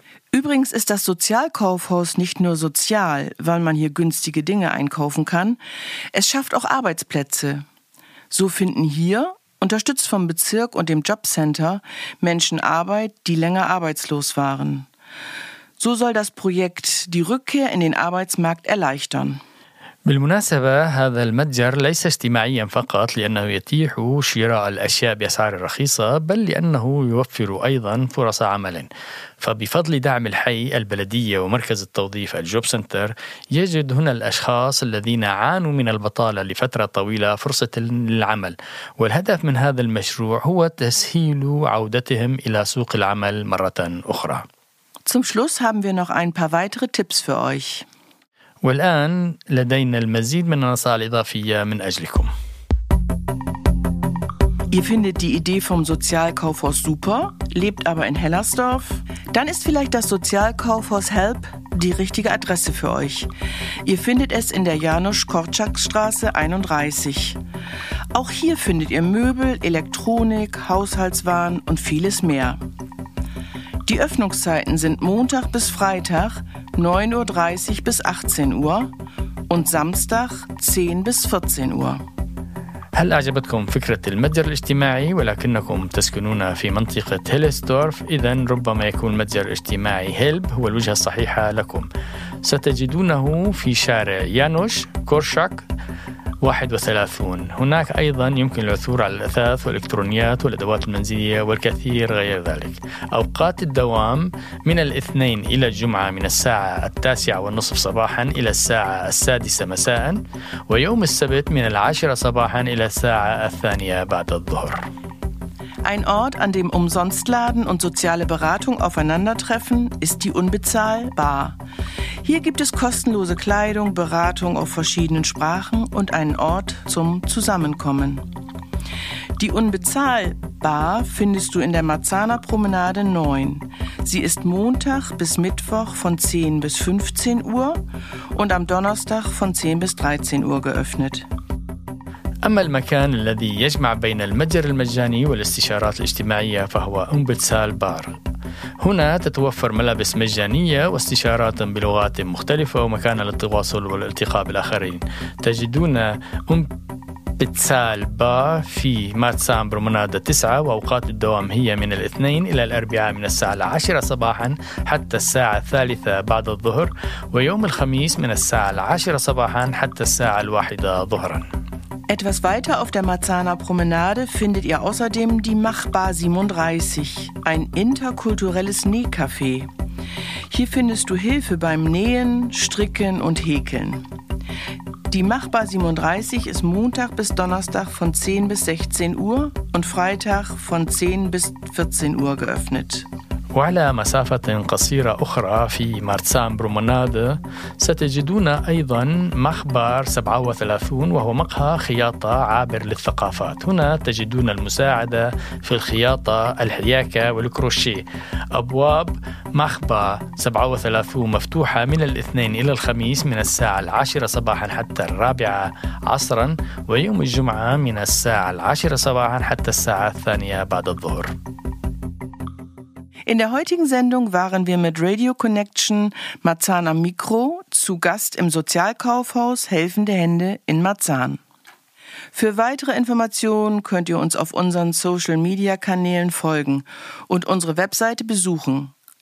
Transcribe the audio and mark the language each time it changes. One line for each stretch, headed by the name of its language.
German: Übrigens ist das Sozialkaufhaus nicht nur sozial, weil man hier günstige Dinge einkaufen kann, es schafft auch Arbeitsplätze. So finden hier, unterstützt vom Bezirk und dem Jobcenter, Menschen Arbeit, die länger arbeitslos waren. So soll das Projekt die Rückkehr in den Arbeitsmarkt erleichtern.
Arabic: بالمناسبة هذا المتجر ليس اجتماعيا فقط لأنه يتيح شراء الأشياء بأسعار رخيصة، بل لأنه يوفر أيضا فرص عمل. فبفضل دعم الحي البلدية ومركز التوظيف الجوب سنتر، يجد هنا الأشخاص الذين عانوا من البطالة لفترة طويلة فرصة للعمل. والهدف من هذا المشروع هو تسهيل عودتهم إلى سوق العمل مرة أخرى.
German: Zum Schluss haben wir noch ein paar weitere Tipps für euch.
Arabic: والآن لدينا المزيد من النصائح الإضافية من أجلكم.
German: Ihr findet die Idee vom Sozialkaufhaus super, lebt aber in Hellersdorf? Dann ist vielleicht das Sozialkaufhaus Help die richtige Adresse für euch. Ihr findet es in der Janosch-Korczak-Straße 31. Auch hier findet ihr Möbel, Elektronik, Haushaltswaren und vieles mehr. Die Öffnungszeiten sind Montag bis Freitag 9.30 Uhr bis 18 Uhr und Samstag 10 bis 14 Uhr.
Arabic: هل أعجبتكم فكرة المتجر الاجتماعي ولكنكم تسكنون في منطقة هيلسدورف؟ إذن ربما يكون متجر اجتماعي هيلب هو الوجهة الصحيحة لكم. ستجدونه في شارع يانوش كورشاك 31. هناك أيضا يمكن العثور على الأثاث والإلكترونيات والأدوات المنزلية والكثير غير ذلك. أوقات الدوام من الاثنين إلى الجمعة من الساعة 9:30 صباحا إلى الساعة 6:00 مساء، ويوم السبت من 10:00 صباحا إلى الساعة 2:00 بعد الظهر.
German: Ein Ort, an dem Umsonstladen und soziale Beratung aufeinandertreffen, ist die Unbezahlbar. Hier gibt es kostenlose Kleidung, Beratung auf verschiedenen Sprachen und einen Ort zum Zusammenkommen. Die Unbezahlbar findest du in der Marzahner Promenade 9. Sie ist Montag bis Mittwoch von 10 bis 15 Uhr und am Donnerstag von 10 bis 13 Uhr geöffnet.
Arabic: أما المكان الذي يجمع بين المتجر المجاني والاستشارات الاجتماعية فهو أمبتسال بار. هنا تتوفر ملابس مجانية واستشارات بلغات مختلفة ومكان للتواصل والالتقاء بالآخرين. تجدون أمبتسال بار في ماتسان برومنادة 9، وأوقات الدوام هي من الاثنين إلى الأربعاء من الساعة 10 صباحا حتى الساعة 3:00 بعد الظهر، ويوم الخميس من الساعة 10 صباحا حتى الساعة 1:00 ظهرا.
German: Etwas weiter auf der Marzahner Promenade findet ihr außerdem die Machbar 37, ein interkulturelles Nähcafé. Hier findest du Hilfe beim Nähen, Stricken und Häkeln. Die Machbar 37 ist Montag bis Donnerstag von 10 bis 16 Uhr und Freitag von 10 bis 14 Uhr geöffnet.
Arabic: وعلى مسافة قصيرة أخرى في مارتسان برومنادة ستجدون أيضا مخبار 37، وهو مقهى خياطة عابر للثقافات. هنا تجدون المساعدة في الخياطة، الحياكة والكروشيه. أبواب مخبار 37 مفتوحة من الاثنين إلى الخميس من الساعة 10 صباحا حتى 4:00 عصرا، ويوم الجمعة من الساعة 10 صباحا حتى الساعة 2:00 بعد الظهر.
German: In der heutigen Sendung waren wir mit Radio Connection Marzahn am Mikro zu Gast im Sozialkaufhaus Helfende Hände in Marzahn. Für weitere Informationen könnt ihr uns auf unseren Social Media Kanälen folgen und unsere Webseite besuchen.